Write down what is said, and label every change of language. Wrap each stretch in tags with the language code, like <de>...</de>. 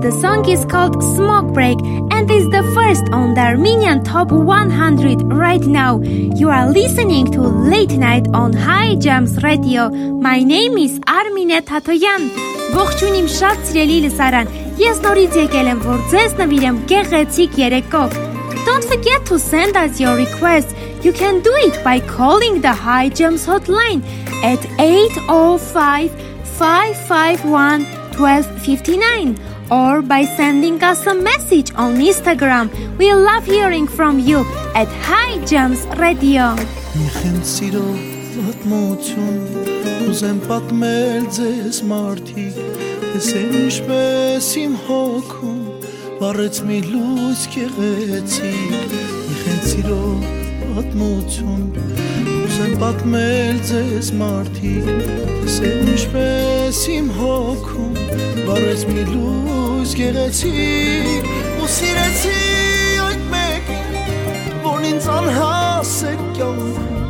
<en>The song is called Smoke Break and is the first on the Armenian Top 100 right now. You are listening to Late Night on High Jams Radio. My name is Armine Tatoyan.</en> <hy>Ողջույն իմ շատ սիրելի լսարան, ես նորից եկել եմ, որ ձեզ նվիրեմ գեղեցիկ երեկով.</hy> <en>Don't forget to send us your request. You can do it by calling the High Jams hotline at 805-551-1259 or by sending us a message on Instagram. We love hearing from you at High Jams Radio.</en> <hy>Ուզեմ պատմել ձեզ մարդիկ Ես է ինչպես իմ հոգում Վառեց մի լույս գեղեցիկ Իխենց սիրով պատմություն Ուզեմ պատմել ձեզ մարդիկ Ես է ինչպես իմ հոգում Վառեց մի լույս գեղեցիկ Ու սիրեցի այդ մեկին Որ ինձ անհաս է կյանք</hy>